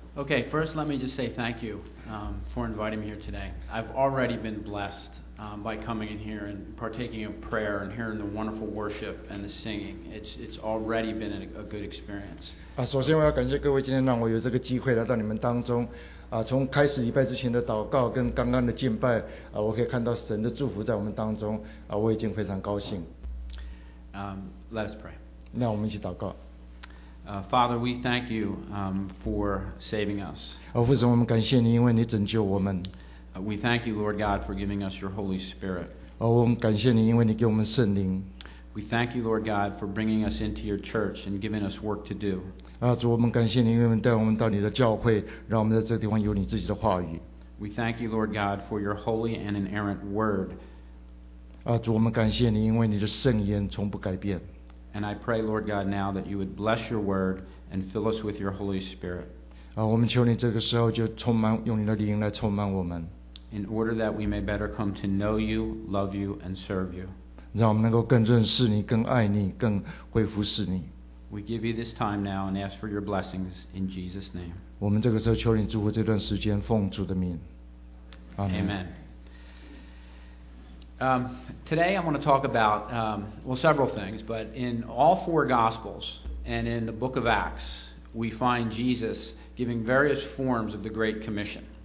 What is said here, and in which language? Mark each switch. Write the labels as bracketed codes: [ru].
[en] Okay, first let me just say thank you for inviting me here today. I've already been blessed by coming in here and partaking of prayer and hearing the wonderful worship and the singing. It's already been a good experience. [zh] 首先我要感谢各位今天让我有这个机会来到你们当中从开始礼拜之前的祷告跟刚刚的敬拜我可以看到神的祝福在我们当中我已经非常高兴。 [en] Let us pray. [zh] 那我们一起祷告。 [en] Father, we thank you for saving us. [zh] 父神，我们感谢你，因为你拯救我们。 [en] We thank you, Lord God, for giving us your Holy Spirit. [zh] 我们感谢你，因为你给我们圣灵。 [en] We thank you, Lord God, for bringing us into your church and giving us work to do. [zh] 主，我们感谢你，因为带我们到你的教会，让我们在这个地方有你自己的话语。 [en] We thank you, Lord God, for your holy and inerrant word. [zh] 主，我们感谢你，因为你的圣言从不改变。 [en] And I pray, Lord God, now that you would bless your word and fill us with your Holy Spirit. [zh] 我们求你这个时候就充满，用你的灵来充满我们。 [en] In order that we may better come to know you, love you, and serve you. [zh] 让我们能够更认识你，更爱你，更恢复是你。 [en] We give you this time now and ask for your blessings in Jesus' name. [zh] 我们这个时候求你祝福这段时间，奉主的名。 [en] Amen. Amen. Today I want to talk about several things, but in all four Gospels and in the Book of Acts, we find Jesus giving various forms of the Great Commission.